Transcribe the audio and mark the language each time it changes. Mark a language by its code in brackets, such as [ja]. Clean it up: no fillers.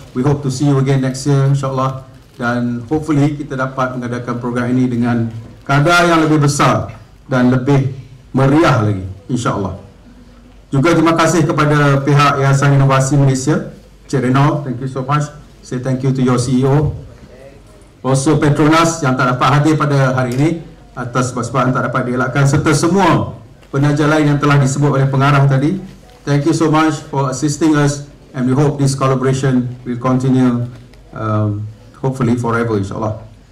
[en] We hope to see you again next year, insyaAllah. [ms] Dan hopefully kita dapat mengadakan program ini dengan kadar yang lebih besar dan lebih meriah lagi, insyaAllah. Juga terima kasih kepada pihak Yayasan Inovasi Malaysia, Cik Renaud, [en] thank you so much. Say thank you to your CEO. [ms] Also Petronas yang tak dapat hadir pada hari ini atas sebab-sebab yang tak dapat dielakkan, serta semua penaja lain yang telah disebut oleh pengarah tadi. [en] Thank you so much for assisting us and we hope this collaboration will continue hopefully forever, insyaAllah.